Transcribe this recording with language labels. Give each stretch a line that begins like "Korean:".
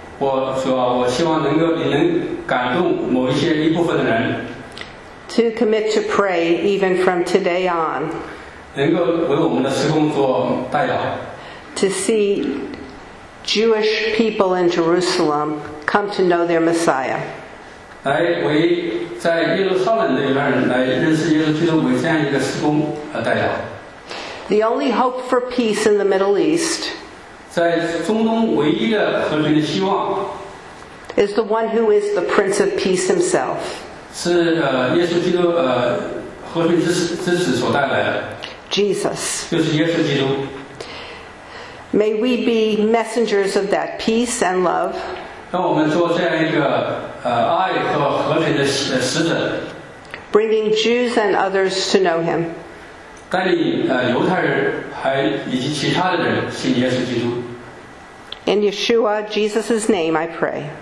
English: To commit to pray even from today on. To see Jewish people in Jerusalem come to know their Messiah.
Chinese: 来为在耶路撒冷的一般人来认识耶稣基督为这样一个施工而代表。
English: The only hope for peace in the Middle East
Chinese: 在中东唯一的和平的希望
English: is the one who is the Prince of Peace himself.
Chinese: 是耶稣基督和平之子所带来的。
English: Jesus.
Chinese: 就是耶稣基督。
English: May we be messengers of that peace and love.
Chinese: 让我们做这样一个爱和和平的使者。
English: Bringing Jews and others to know him.
Chinese: 带领犹太人还以及其他的人信耶稣基督。
English: In Yeshua, Jesus' name, I pray.